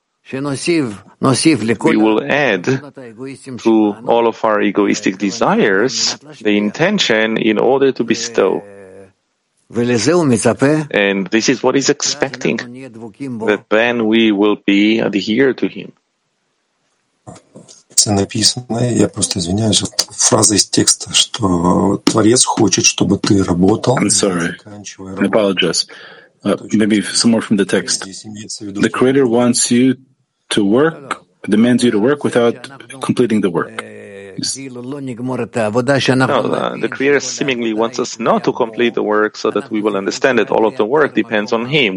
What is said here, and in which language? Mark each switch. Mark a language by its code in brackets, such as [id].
[en] We will add to all of our egoistic desires the intention in order to bestow. And this is what he's expecting, that then we will be adhered to him. [ru] Це написано, я просто извиняюсь, фраза из текста, что Творец хочет, чтобы ты работал. [en] I'm sorry, I apologize. Maybe some more from the text. The Creator wants you to work, demands you to work without completing the work. No, the Creator seemingly wants us not to complete the work so that we will understand that all of the work depends on Him.